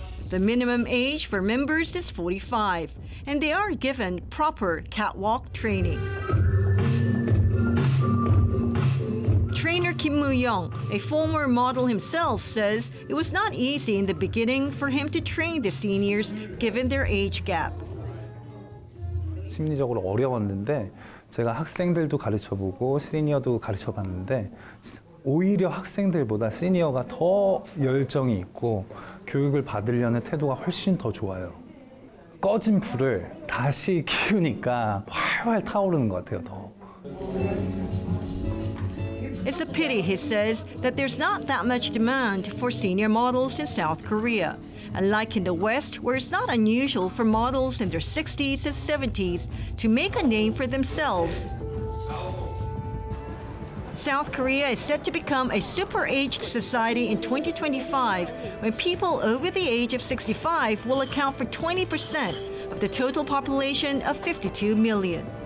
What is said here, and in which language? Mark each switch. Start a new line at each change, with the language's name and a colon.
English: The minimum age for members is 45, and they are given proper catwalk training. Trainer Kim Moo-young, a former model himself, says it was not easy in the beginning for him to train the seniors given their age gap.
Korean: 심리적으로 어려웠는데 제가 학생들도 가르쳐보고 시니어도 가르쳐봤는데 오히려 학생들보다 시니어가 더 열정이 있고 교육을 받으려는 태도가 훨씬 더 좋아요. 꺼진 불을 다시 키우니까 활활 타오르는 것 같아요, 더.
English: It's a pity, he says, that there's not that much demand for senior models in South Korea. Unlike in the West, where it's not unusual for models in their 60s and 70s to make a name for themselves, South Korea is set to become a super-aged society in 2025, when people over the age of 65 will account for 20% of the total population of 52 million.